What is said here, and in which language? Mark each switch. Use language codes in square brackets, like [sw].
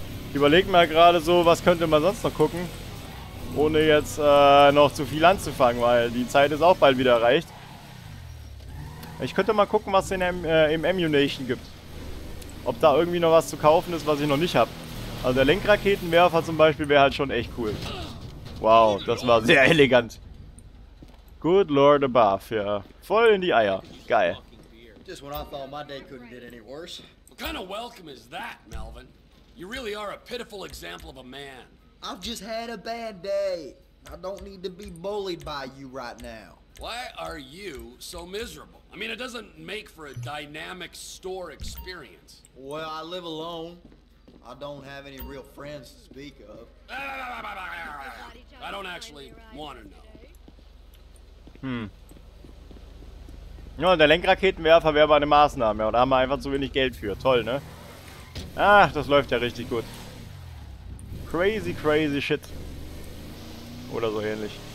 [de] Ich überleg mal gerade so, was könnte man sonst noch gucken, ohne jetzt noch zu viel anzufangen, weil die Zeit ist auch bald wieder erreicht. Ich könnte mal gucken, was es im Ammunition gibt. Ob da irgendwie noch was zu kaufen ist, was ich noch nicht habe. Also der Lenkraketenwerfer zum Beispiel wäre halt schon echt cool. Wow, das war sehr elegant. [en] Good Lord above, [de] ja. Voll in die Eier. Geil. [en] Just when I thought my day couldn't get any worse. What kind of welcome is that, Melvin? You really are a pitiful example of a man. I've just had a bad day. I don't need to be bullied by you right now. Why are you so miserable? I mean, it doesn't make for a dynamic store experience. Well, I live alone. I don't have any real friends to speak of. I don't actually want to know. [de] Hm. Ja, der Lenkraketenwerfer wäre aber eine Maßnahme. Und da haben wir einfach zu wenig Geld für. Toll, ne? Ach, das läuft ja richtig gut. [en] Crazy, crazy shit. [de] Oder so ähnlich.